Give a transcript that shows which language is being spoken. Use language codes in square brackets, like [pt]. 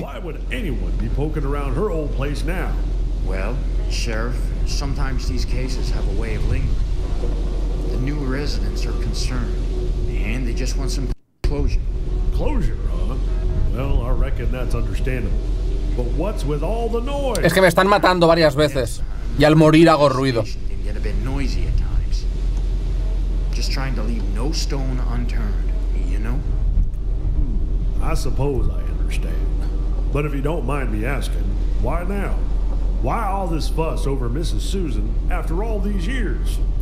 [en] Why would anyone be poking around her old place now? Well, Sheriff, sometimes these cases have a way of lingering. The new residents are concerned, and they just want some closure. Closure, huh? Well, I reckon that's understandable. But what's with all the noise? [es] Es que me están matando varias veces, y al morir hago ruido. [en] Get a bit noisy at times. Just trying to leave no stone unturned, you know? I suppose I understand. But if you don't mind me asking, why now? Why all this fuss over Mrs. Susan after all these years?